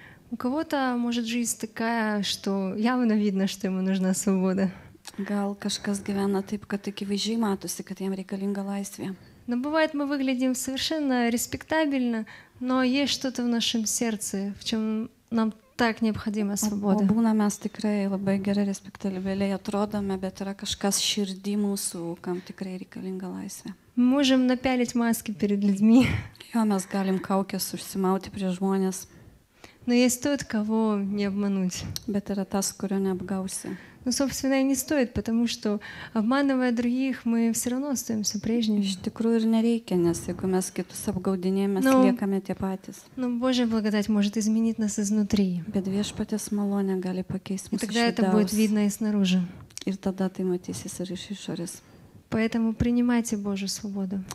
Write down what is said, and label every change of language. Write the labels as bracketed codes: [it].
[ru] У кого-то может жизнь такая, что явно видно, что ему нужна свобода. [lt] Gal kažkas gyvena taip, kad tik įvaizdžiai matosi, kad jam reikalinga laisvė. [ru] Но бывает, мы выглядим совершенно респектабельно, но есть что-то в нашем сердце, в чем нам так необходима свобода. [lt] Būna mes tikrai labai gerai respektabiliai atrodome, bet yra kažkas širdy mūsų, kam tikrai reikalinga laisvė. [ru] Можем напялить маски перед людьми. [lt] Jo, mes galim kaukės užsimauti prieš žmones. [ru] Но есть тот, кого не обмануть. [lt] Bet yra tas, kurio neapgausi. [ru] Ну, собственно, и не стоит, потому что обманывая других, мы все равно остаемся прежними. [lt] Tikrųjų ir nereikia, nes jeigu mes kitus apgaudinėjame, mes liekame tie patys. [ru] Но Божья благодать может изменить нас изнутри. [lt] Bet Viešpaties malonė gali pakeisti mūsų širdis. [ru] И тогда это будет видно и снаружи. [lt] Ir tada tai matysis ir iš išorės. [ru] Поэтому принимайте Божью свободу.